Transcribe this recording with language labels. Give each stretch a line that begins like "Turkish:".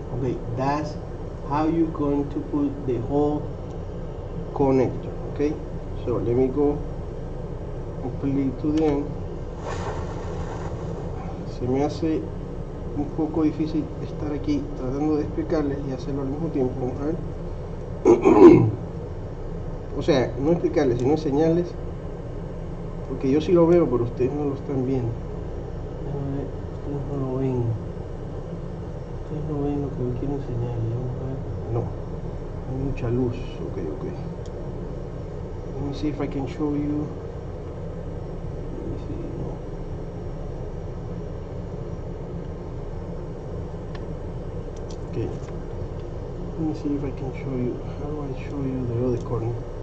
English: Okay, that's how you're going to put the whole connector. Okay. So let me go completely to the end.
Spanish: Se me hace un poco difícil estar aquí tratando de explicarles y hacerlo al mismo tiempo. Vamos a ver. O sea, no explicarles, sino enseñarles. Porque yo sí lo veo, pero ustedes no lo están viendo. Ustedes no lo ven. Ustedes no ven lo que yo quiero enseñarles. Vamos a ver. No. Hay mucha luz. Ok, ok.
English: Let me see if I can show you. Okay, let me see if I can show you, how do I show you the other corner?